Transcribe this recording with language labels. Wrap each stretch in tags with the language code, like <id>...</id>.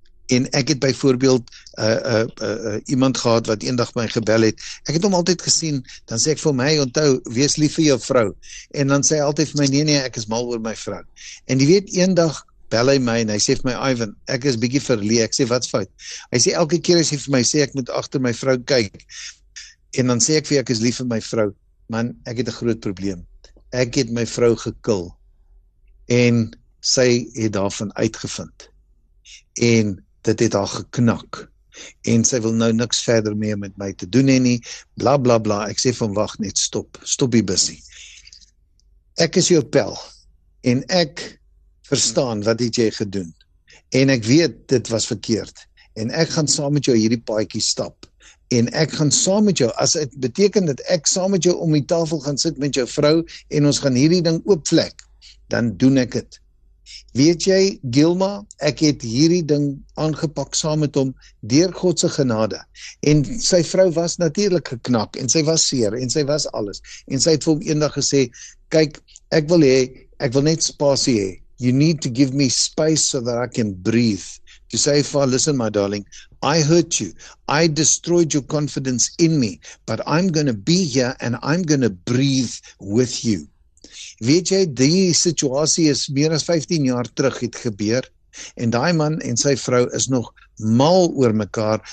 <af>En ek het byvoorbeeld iemand gehad wat eendag my gebel het. Ek het hom altyd gesien, dan sê ek vir my, onthou, wees lief vir jou vrou. En dan sê hy altyd vir my, nee, ek is mal oor my vrou. En jy weet, eendag bel hy my en hy sê vir my, Ivan, ek is bietjie verlee. Ek sê, wat's fout? Hy sê, elke keer as hy vir my sê, ek moet agter my vrou kyk. En dan sê ek vir jou, ek is lief vir my vrou. Man, ek het 'n groot probleem. Ek het my vrou gekil. En sy het daarvan uitgevind. En dit het haar geknak. En sy wil nou niks verder meer met my te doen nie. Bla, bla, bla. Ek sê van wag net, stop. Stop die busie. Ek is jou pel. En ek verstaan wat het jy gedoen. En ek weet, dit was verkeerd. En ek gaan saam met jou hierdie paadjie stap. En ek gaan saam met jou, as dit beteken dat ek saam met jou om die tafel gaan sit met jou vrou en ons gaan hierdie ding oopvlek, dan doen ek dit. Weet jy, Gilma, ek het hierdie ding aangepak saam met hom deur God se genade. En sy vrou was natuurlik geknak en sy was seer en sy was alles. En sy het vir hom eendag gesê, kyk, ek wil net spasie hê.</af> <en>You need to give me space so that I can breathe. To say, for listen, my darling, I hurt you. I destroyed your confidence in me. But I'm going to be here and I'm going to breathe with you.</en> <af>Weet jy, die situasie is meer as 15 jaar terug het gebeur. En die man en sy vrou is nog mal oor mekaar.</af>